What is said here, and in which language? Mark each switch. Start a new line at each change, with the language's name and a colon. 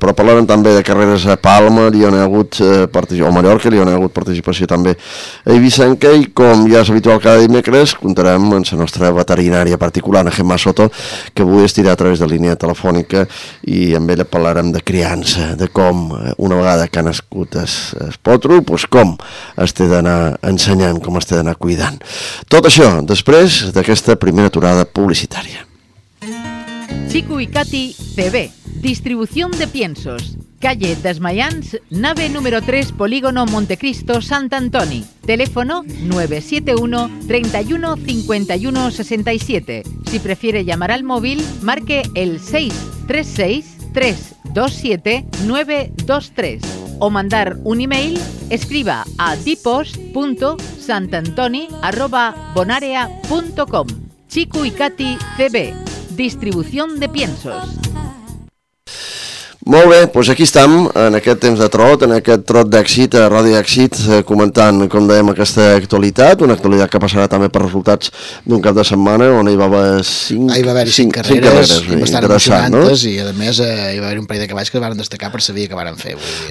Catalan: Però parlarem també de carreres a Palma, Mallorca, on hi ha hagut participació també eivissenca, i com ja és habitual cada dimecres, contarem amb la nostra veterinària particular, Gemma Soto, que avui estirà a través de línia telefònica, i amb ella parlarem de criança, de com, una vegada que ha nascut es potro, doncs com es té d'anar ensenyant, com es té d'anar cuidant. Tot això després d'aquesta primera aturada publicitària.
Spanish: Chico y Katy CB, distribución de piensos. Calle Desmayans, nave número 3, polígono Montecristo, Sant Antoni. Teléfono 971-31-51-67. Si prefiere llamar al móvil, marque el 636-327-923. O mandar un email, escriba a dipost.santantoni@bonarea.com. Chico y Katy CB, distribución de piensos.
Catalan: Molt bé, doncs aquí estem, en aquest temps de trot, en aquest trot d'èxit, a Ràdio Èxit, comentant, com dèiem, aquesta actualitat, una actualitat que passarà també per resultats d'un cap de setmana, on hi va haver cinc carreres,
Spanish: bastant emocionantes, no?
Catalan: I a més hi va haver un parell de cavalls que varen destacar per saber què varen fer. Vull dir,